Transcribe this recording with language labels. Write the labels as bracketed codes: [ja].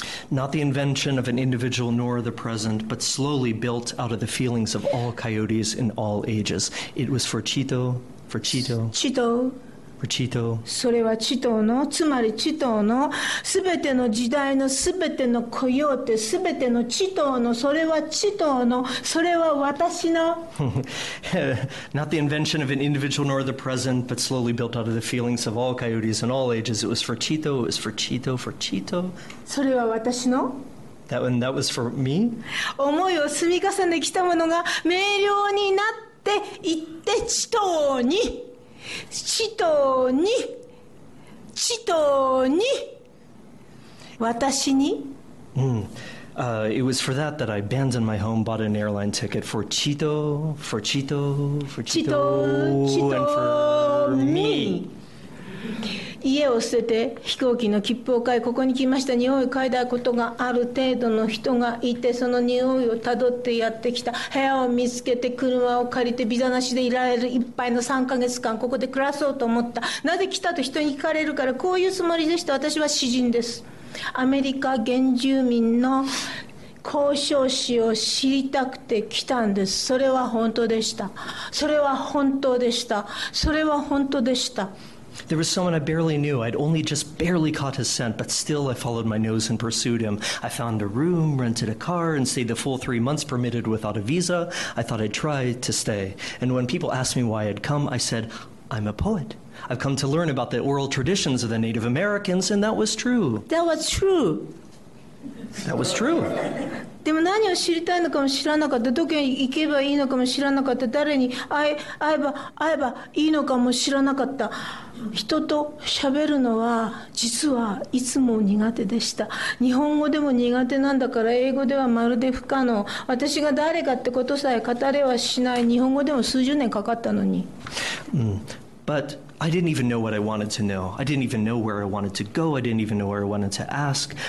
[en] Not the invention of an individual nor the present, but slowly built out of the feelings of all coyotes in all ages. It was for Chito, for Chito. Chito. [ja] それはチトーの、つまりチトーの、すべての時代のすべてのコヨーテ、すべてのチトーの、それはチトーの、それは私の。 [en] Not the invention of an individual nor the present, but slowly built out of the feelings of all coyotes in all ages. It was for Chito, it was for Chito, for Chito. [ja] それは私の。 [en] That was for me? [ja] 思いを積み重ねきたものが明瞭になっていってチトーに。チトーに、チトーに、私に。 [en] It was for that that I abandoned my home, bought an airline ticket for Chito, for Chito, for Chito, Chito, and for me. [ja] 家を捨てて飛行機の切符を買いここに来ました、匂いを嗅いだことがある程度の人がいて、その匂いをたどってやってきた、部屋を見つけて車を借りてビザなしでいられるいっぱいの3ヶ月間ここで暮らそうと思った、なぜ来たと人に聞かれるからこういうつもりでした。私は詩人です。アメリカ原住民の交渉史を知りたくて来たんです。それは本当でした、それは本当でした、それは本当でした。 [en] There was someone I barely knew. I'd only just barely caught his scent, but still I followed my nose and pursued him. I found a room, rented a car, and stayed the full 3 months permitted without a visa. I thought I'd try to stay. And when people asked me why I'd come, I said, I'm a poet. I've come to learn about the oral traditions of the Native Americans, and that was true. That was true. That was true. [ja] でも何を知りたいのかも知らなかった、どこに行けばいいのかも知らなかった、誰に会えばいいのかも知らなかった。人と喋るのは実はいつも苦手でした。日本語でも苦手なんだから英語ではまるで不可能。私が誰かってことさえ語れはしない。日本語でも数十年かかったのに。 [en] But I didn't even know what I wanted to know. I didn't even know where I wanted to go. I didn't even know where I wanted to ask.